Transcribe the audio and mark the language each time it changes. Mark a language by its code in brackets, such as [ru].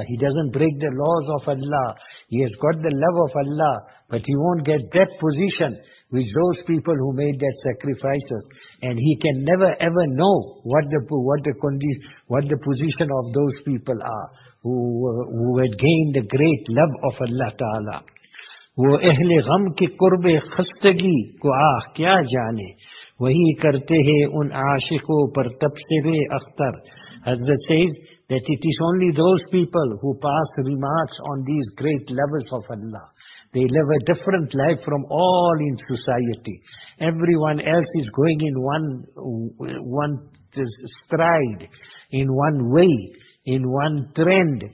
[en] He doesn't break the laws of Allah. He has got the love of Allah, but he won't get that position with those people who made that sacrifices. And he can never ever know what the position of those people are, who had gained the great love of Allah Ta'ala. [ur] وہ اہلِ غم کے قربِ خستگی کو آہ کیا جانے وہی کرتے ہیں ان عاشقوں پر تبصرے Akhtar. [en] Hazrat says that it is only those people who pass remarks on these great lovers of Allah. They live a different life from all in society. Everyone else is going in one stride, in one way, in one trend.